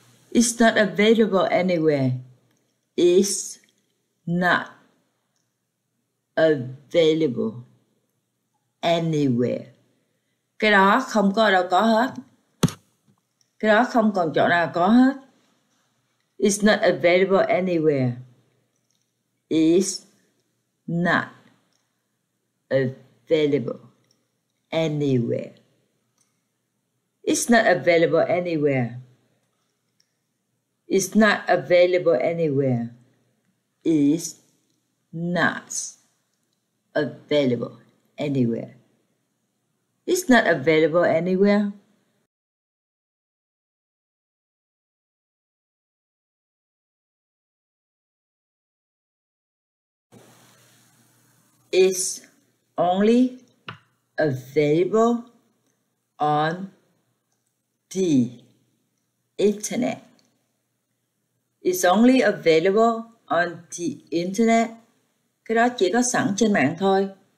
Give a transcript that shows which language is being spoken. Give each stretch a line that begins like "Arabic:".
English: Is not available anywhere. Is not available anywhere.
Vietnamese: Cái đó không có ở đâu có hết. Cái đó không còn chỗ nào có hết.
English: It's not available anywhere. It's not available anywhere. It's not available anywhere. It's not available anywhere. It's not available anywhere. It's not available anywhere. It's only available on the internet. It's only available on the internet.
Vietnamese: Cái đó chỉ có sẵn trên mạng thôi.